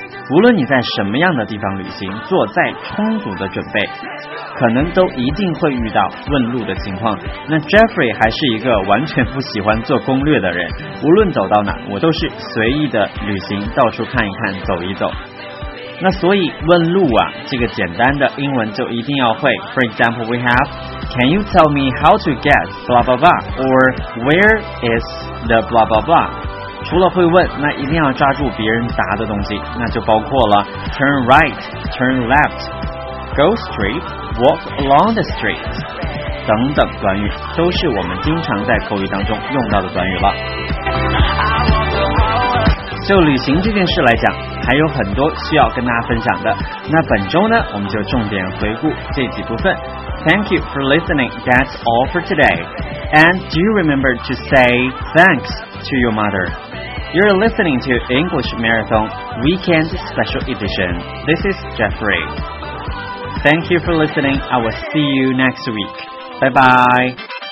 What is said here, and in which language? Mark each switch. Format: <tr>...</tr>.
<zh>无论你在什么样的地方旅行，做再充足的准备，可能都一定会遇到问路的情况。那 Jeffrey 还是一个完全不喜欢做攻略的人，无论走到哪我都是随意的旅行，到处看一看走一走。那所以问路啊，这个简单的英文就一定要会。</zh> <en>For example, we have Can you tell me how to get blah blah blah, or where is the blah blah blah。</en> <zh>除了会问，那一定要抓住别人答的东西，那就包括了</zh> <en>turn right, turn left, go straight, walk along the street</en> <zh>等等短语，都是我们经常在口语当中用到的短语了。就旅行这件事来讲，还有很多需要跟大家分享的，那本周呢我们就重点回顾这几部分。</zh> <en>Thank you for listening, that's all for today, and do remember to say thanks to your motherYou're listening to English Marathon Weekend Special Edition. This is Jeffrey. Thank you for listening. I will see you next week. Bye bye.</en>